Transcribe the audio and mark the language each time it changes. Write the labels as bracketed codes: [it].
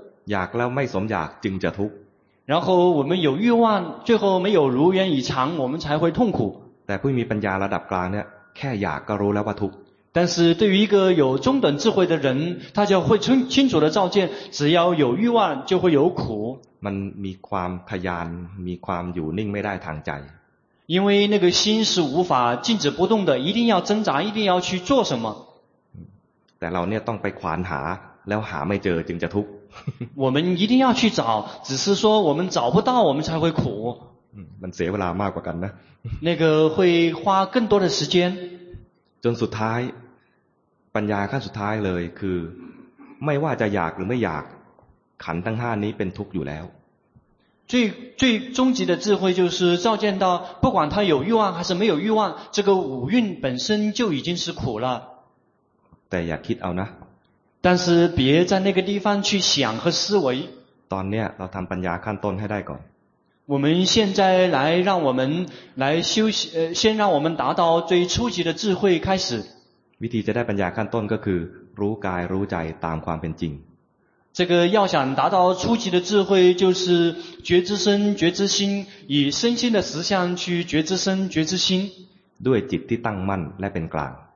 [th] อยากแล้วไม่สมอยากจึงจะทุกข์ [zh] 然后我们有欲望最后没有如愿以偿我们才会痛苦 [th] แต่ผู้มีปัญญาระดับกลางเนี่ยแค่อยากก็รู้แล้วว่าทุกข์ [zh] 但是对于一个有中等智慧的人他就会清楚的照见只要有欲望就会有苦 [th] มันมีความทยานมีความอยู่นิ่งไม่ได้ทางใจ [zh] 因为那个心是无法静止不动的一定要挣扎一定要去做什么 [th] แต่เราเนี่ยต้องไปขวานหาแล้วหาไม่เจอจึงจะทุกข์ [zh] 我们一定要去找只是说我们找不到我们才会苦 [th] มันเสียเวลามากกว่ากันนะ [zh] 那个会花更多的时间 [th] จนสุดท้ายปัญญาขั้นสุดท้ายเลยคือไม่ว่าจะอยากหรือไม่อยากขันธ์ทั้ง5นี้เป็นทุกข์อยู่แล้ว [zh] 最终极的智慧就是照见到不管他有欲望还是没有欲望这个五蕴本身就已经是苦了 [th] แต่อย่าคิดเอานะ [zh] 但是别在那个地方去想和思维 [th] ตอนเนี้ยเราทำปัญญาขั้นต้นให้ได้ก่อน [zh] 我们现在来让我们来休息先让我们达到最初级的智慧开始 [th] วิธีจะได้ปัญญาขั้นต้นก็คือรู้กายรู้ใจตามความเป็นจริง [zh] 这个要想达到初级的智慧就是觉知身觉知心以身心的实相去觉知身觉知心 [th] ด้วยจิตที่ตั้งมั่นและเป็นกลาง